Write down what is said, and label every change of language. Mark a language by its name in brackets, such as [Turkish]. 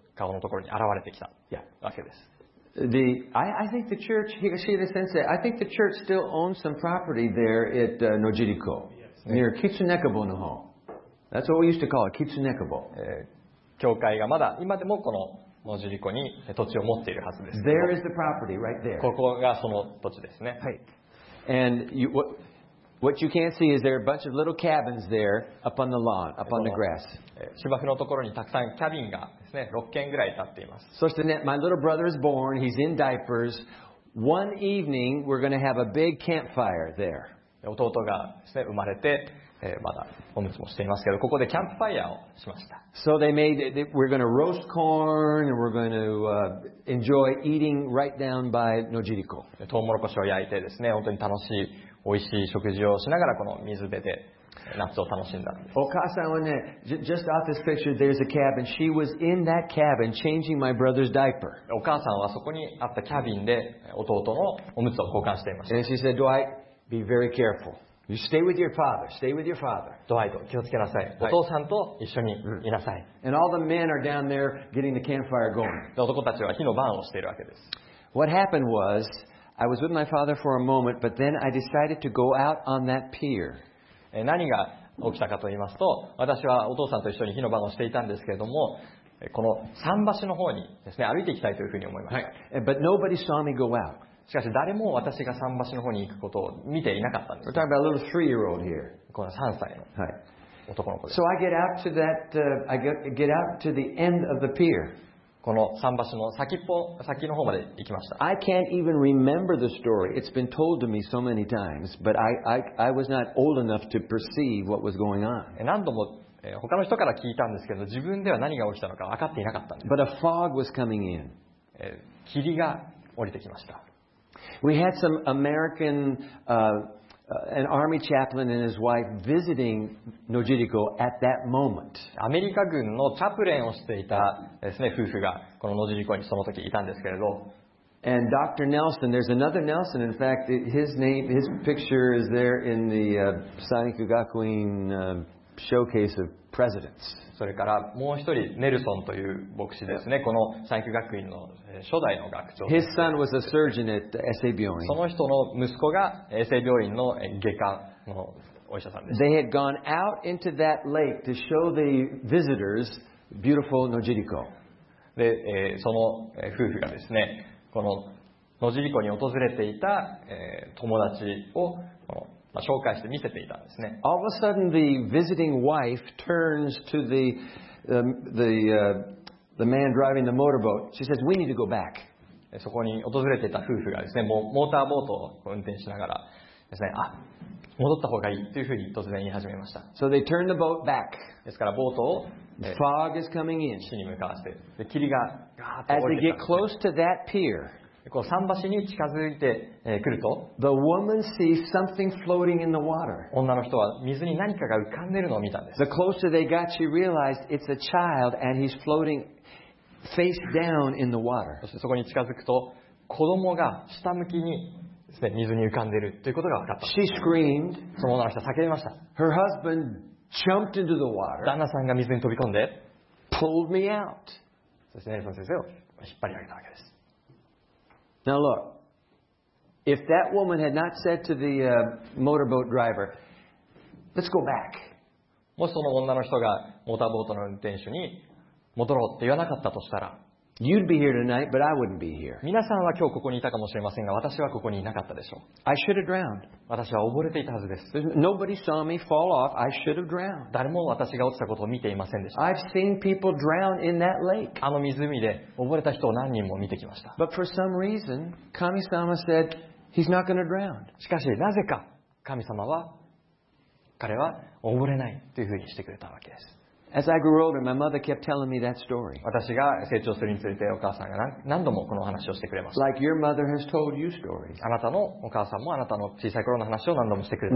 [Japanese] 顔のところに現れてきたわけです。 [English] I think the church, Higashida sensei, I think the church still owns some property there at Nojiriko, near Kitsunekabo [Japanese] の方。 [English] That's what we used to call it, Kitsunekabo. [Japanese] 教会がまだ今でもこの野尻湖に土地を持っているはずです。 [English] There is the property right there. [Japanese] ここがその土地ですね。はい。 [English] And you, what you can't see is there are a bunch of little cabins there up on the lawn, up on the grass. [Japanese] 芝生のところにたくさんキャビンがですね、6軒ぐらい建っています。そしてね、 [English] my little brother is born, he's in diapers. One evening, we're going to have a big campfire there. [Japanese] 弟がですね、生まれて、まだおむつもしていますけど、ここでキャンプファイヤーをしました。 [English] So they made, we're going to roast corn and we're going to enjoy eating right down by Nojiriko. [Japanese] トウモロコシを焼いてですね、本当に楽しい。美味しい食事をしながらこの水辺で夏を楽しんだんです。お母さんはね、 [English] just off this picture, there's a cabin. She was in that cabin changing my brother's diaper. [Japanese] お母さんはそこにあったキャビンで弟のおむつを交換していました。 [English] And she said, Dwight, be very careful. You stay with your father. Stay with your father. [Japanese] Dwight, 気をつけなさい。お父さんと一緒にいなさい。 [English] And all the men are down there getting the campfire going. [Japanese] 男たちは火の番をしているわけです。 [English] What happened was,I was with my father for a moment, but then I decided to go out on that pier. [Japanese] 何が起きたかと言いますと、私はお父さんと一緒に火の番をしていたんですけれども、この桟橋の方にですね、歩いていきたいというふうに思いました。はい。 [English] But nobody saw me go out. [Japanese] しかし誰も私が桟橋の方に行くことを見ていなかったんです。 [English] We're talking about a little three-year-old here. [Japanese] この3歳の男の子です。はい。 [English] So I get out to that, I get out to the end of the pier. [Japanese] この桟橋の先の方まで行きました。 [English] I can't even remember the story. It's been told to me so many times, but I was not old enough to perceive what was going on. [Japanese] 何度も他の人から聞いたんですけど、自分では何が起きたのか分かっていなかったんです。 [English] But a fog was coming in. [Japanese] 霧が降りてきました。 [English] We had some American, an army chaplain and his wife visiting Nojiriko at that moment. [Japanese] アメリカ軍のチャプレンをしていたですね、夫婦がこの野尻湖にその時いたんですけれど。 [English] And Dr. Nelson, there's another Nelson. In fact, his name, his picture is there in the Saniku Gakuin showcase of presidents. [Japanese] それからもう一人、ネルソンという牧師ですね。 [English] Yeah. [Japanese] この Saniku Gakuin の初代の学長。 [English] His son was a surgeon at SA 病院。 [Japanese] その人の息子が SA 病院の外科のお医者さんです。 [English] They had gone out into that lake to show the visitors. Beautiful Nojiriko. [Japanese] で、その夫婦がですね、この野尻湖に訪れていた、友達を、まあ、紹介して見せていたんですね。 [English] All of a sudden the visiting wife turns to the man driving the motorboat. She says, we need to go back. [Japanese] そこに訪れていた夫婦がですね、もうモーターボートを運転しながらですね、あ、戻った方がいいというふうに突然言い始めました。 [English] So they turn the boat back. [Japanese] ですからボートを、 [English] Fog is coming in. [Japanese] 岸に向かわせて、で霧がガーッと降りてた。 [English] As they get close to that pier, [Japanese] こう桟橋に近づいてくると、 [English] the woman sees something floating in the water. [Japanese] 女の人は水に何かが浮かんでいるのを見たんです。 [English] The closer they got, she realized it's a child and he's floating face down in the water. [Japanese] そしてそこに近づくと、子供が下向きに水に浮かんでいるということが分かった。 [English] She screamed. [Japanese] その女の人は叫びました。 [English] Her husband jumped into the water. [Japanese] 旦那さんが水に飛び込んで、 [English] pulled me out. [Japanese] そしてネルソン先生を引っ張り上げたわけです。 [English] Now look, if that woman had not said to the motorboat driver, let's go back. [Japanese] もしその女の人がモーターボートの運転手に戻ろうって言わなかったとしたら、 [English] You'd be here tonight, but I wouldn't be here. [Japanese] 皆さんは今日ここにいたかもしれませんが、私はここにいなかったでしょう。 [English] I should have drowned. [Japanese] 私は溺れていたはずです。 [English] Nobody saw me fall off. I should have drowned. [Japanese] 誰も私が落ちたことを見ていませんでした。 [English] I've seen people drown in that lake. [Japanese] あの湖で溺れた人を何人も見てきました。 [English] But for some reason, Kami-sama said he's not going to drown. [Japanese] しかしなぜか神様は彼は溺れないというふうにしてくれたわけです。 [English] As I grew older, my mother kept telling me that story. [Japanese] 私が成長するにつれて、お母さんが何度もこの話をしてくれました。 [English] Like your mother has told you stories. [Japanese] あなたのお母さんもあなたの小さい頃の話を何度もしてくれた。